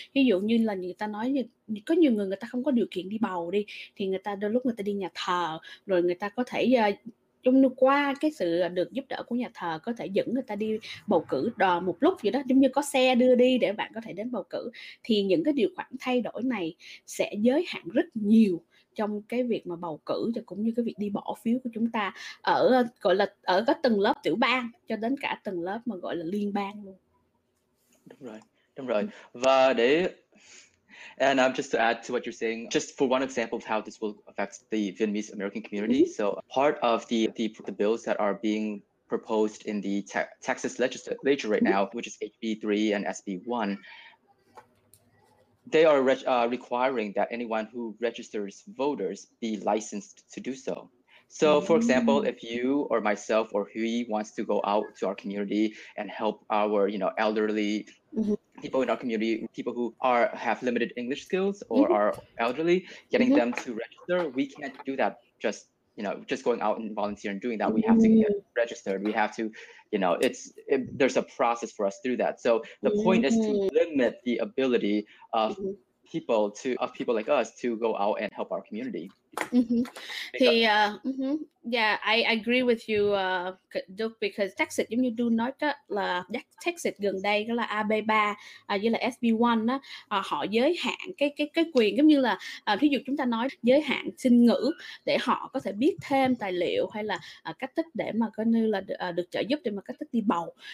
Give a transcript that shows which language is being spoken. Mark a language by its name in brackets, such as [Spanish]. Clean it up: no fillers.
[Vietnamese] Ví dụ như là người ta nói như, có nhiều người ta không có điều kiện đi bầu đi, thì người ta đôi lúc người ta đi nhà thờ, rồi người ta có thể trong qua cái sự được giúp đỡ của nhà thờ có thể dẫn người ta đi bầu cử một lúc vậy đó, giống như có xe đưa đi để bạn có thể đến bầu cử. Thì những cái điều khoản thay đổi này sẽ giới hạn rất nhiều trong cái việc mà bầu cử và cũng như cái việc đi bỏ phiếu của chúng ta ở gọi là ở các tầng lớp tiểu bang cho đến cả tầng lớp mà gọi là liên bang luôn. Đúng rồi. Và để, [English] and just to add to what you're saying, just for one example of how this will affect the Vietnamese American community. So part of the bills that are being proposed in the Texas legislature right now, which is HB3 and SB1, they are requiring that anyone who registers voters be licensed to do so. So, for example, if you or myself or Huy wants to go out to our community and help our, you know, elderly people in our community, people who have limited English skills or are elderly, getting them to register, we can't do that just going out and volunteering and doing that. We have to get registered. We have to, you know, there's a process for us through that. So the point is to limit the ability of people like us to go out and help our community. I agree with you, Duke, because Texas, [Vietnamese] giống như Du nói đó, là Texas gần đây đó là AB3 với là SB1 đó, họ giới hạn cái quyền, giống như là ví dụ chúng ta nói giới hạn sinh ngữ để họ có thể biết thêm tài liệu hay là cách thức để mà coi như là được trợ giúp để mà cách thức đi bầu.